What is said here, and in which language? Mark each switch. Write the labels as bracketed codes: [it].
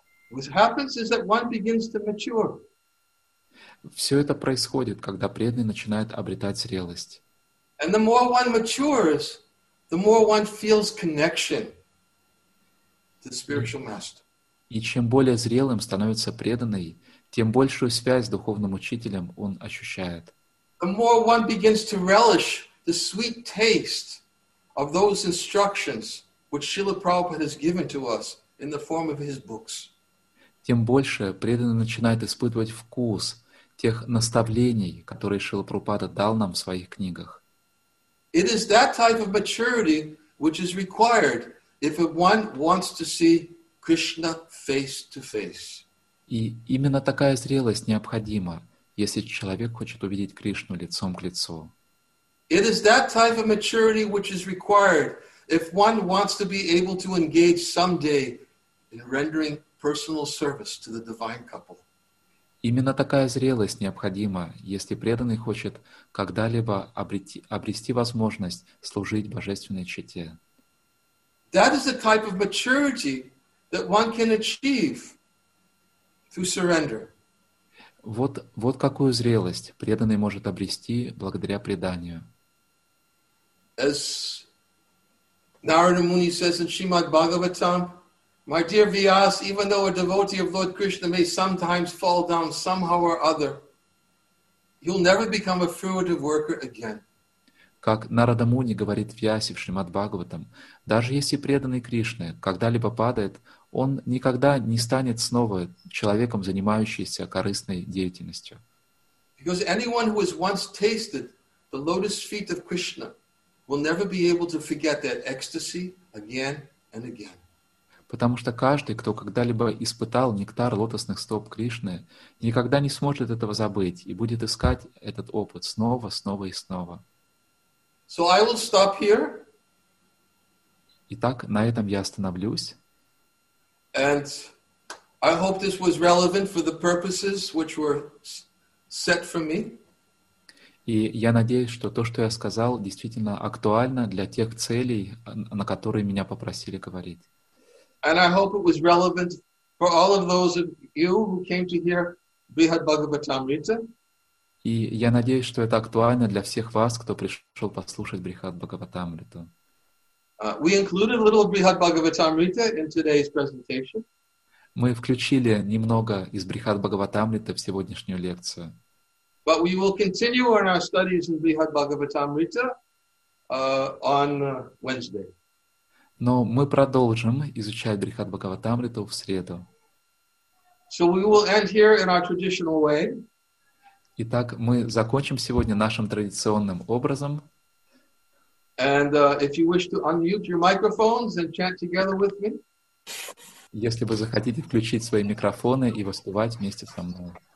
[en] What happens is that one begins to mature. [ru] Все это происходит, когда преданный начинает обретать зрелость. [en] And the more one matures, the more one feels connection to the spiritual master. [ru] И чем более зрелым становится преданный, тем большую связь с духовным учителем он ощущает. [en] The more one begins to relish the sweet taste of those instructions which Srila Prabhupada has given to us in the form of his books. [ru] Тем больше преданный начинает испытывать вкус тех наставлений, которые Шрила Прабхупада дал нам в своих книгах. [en] It is that type of maturity which is required if one wants to see Krishna face to face. [ru] И именно такая зрелость необходима, если человек хочет увидеть Кришну лицом к лицу. [en] It is that type of maturity which is required if one wants to be able to engage someday in rendering personal service to the divine couple. [ru] Именно такая зрелость необходима, если преданный хочет когда-либо обрести возможность служить божественной чете. [en] That is the type of maturity that one can achieve through surrender. [ru] Вот какую зрелость преданный может обрести благодаря преданию. [en] As Narada Muni says in Srimad Bhagavatam, my dear Vyas, even though a devotee of Lord Krishna may sometimes fall down somehow or other, you'll never become a fruitive worker again. [ru] Как Нарада Муни говорит Вьясе в Шримад Бхагаватам, даже если преданный Кришне когда-либо падает, он никогда не станет снова человеком, занимающимся корыстной деятельностью. [en] Because anyone who has once tasted the lotus feet of Krishna will never be able to forget that ecstasy again and again. [ru] Потому что каждый, кто когда-либо испытал нектар лотосных стоп Кришны, никогда не сможет этого забыть и будет искать этот опыт снова, снова и снова. [en] So I will stop here. [ru] Итак, на этом я остановлюсь. [en] And I hope this was relevant for the purposes which were set for me. [ru] И я надеюсь, что то, что я сказал, действительно актуально для тех целей, на которые меня попросили говорить. [en] And I hope it was relevant for all of those of you who came to hear Brihad Bhagavatamrita. [ru] И я надеюсь, что это актуально для всех вас, кто пришел послушать Брихад Бхагаватамриту. [en] We included a little Brihad Bhagavatamrita in today's presentation. [ru] Мы включили немного из Брихад Бхагаватамриты в сегодняшнюю лекцию. [en] But we will continue on our studies in Brihad Bhagavatamrita on Wednesday. [ru] Но мы продолжим изучать Брихад Бхагаватамриту в среду. [en] So we will end here in our traditional way. [ru] Итак, мы закончим сегодня нашим традиционным образом. [en] And if you wish to unmute your microphones and chant together with me. [ru] Если вы захотите включить свои микрофоны и воспевать вместе со мной.